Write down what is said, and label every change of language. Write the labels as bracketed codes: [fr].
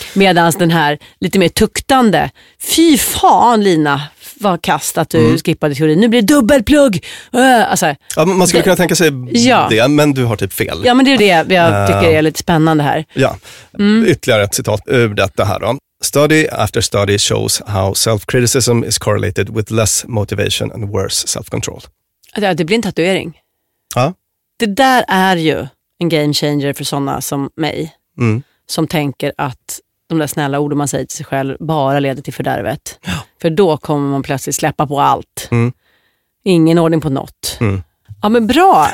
[sv] Medan den här lite mer tuktande, fy fan Lina, var kast att du skippade teorin. Nu blir det dubbelplugg! Alltså, ja, man skulle kunna tänka sig det, men du har typ fel. Ja, men det är det jag tycker är lite spännande här. Ja, ytterligare ett citat ur detta här då. [en] Study after study shows how self-criticism is correlated with less motivation and worse self-control. [sv] Ja, det blir en tatuering. Ja. Det där är ju en game changer för sådana som mig. Mm. Som tänker att de där snälla orden man säger till sig själv bara leder till fördärvet. Ja. För då kommer man plötsligt släppa på allt. Mm. Ingen ordning på något. Mm. Ja, men bra.